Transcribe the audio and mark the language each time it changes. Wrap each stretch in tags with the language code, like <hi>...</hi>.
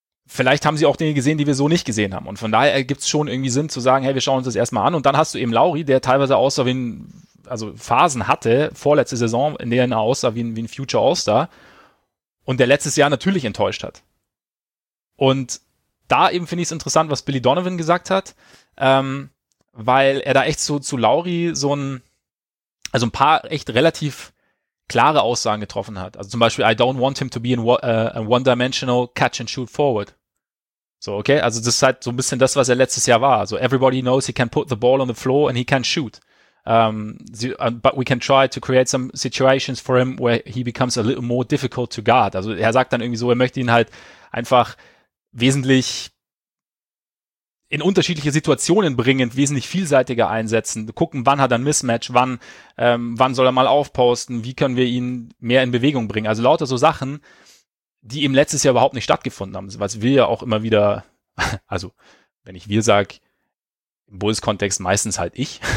<de>Vielleicht haben sie auch Dinge gesehen, die wir so nicht gesehen haben. Und von daher ergibt es schon irgendwie Sinn zu sagen, hey, wir schauen uns das erstmal an. Und dann hast du eben Lauri, der teilweise aussah wie ein, also Phasen hatte, vorletzte Saison, in denen er aussah wie ein Future All-Star. Und der letztes Jahr natürlich enttäuscht hat. Und da eben finde ich es interessant, was Billy Donovan gesagt hat, weil er da echt so zu Lauri so ein, also ein paar echt relativ klare Aussagen getroffen hat. Also zum Beispiel,</de> <en>I don't want him to be a one-dimensional catch-and-shoot-forward. So, okay?</en> <de>Also das ist halt so ein bisschen das, was er letztes Jahr war.</de> <en>So, everybody knows he can put the ball on the floor and he can shoot. But we can try to create some situations for him where he becomes a little more difficult to guard.</en> <de>Also er sagt dann irgendwie so, er möchte ihn halt einfach wesentlich in unterschiedliche Situationen bringen, wesentlich vielseitiger einsetzen, gucken, wann hat er ein Mismatch, wann soll er mal aufposten, wie können wir ihn mehr in Bewegung bringen. Also lauter so Sachen, die eben letztes Jahr überhaupt nicht stattgefunden haben, was wir ja auch immer wieder, also wenn ich wir sag, im Bulls-Kontext meistens halt ich.</de>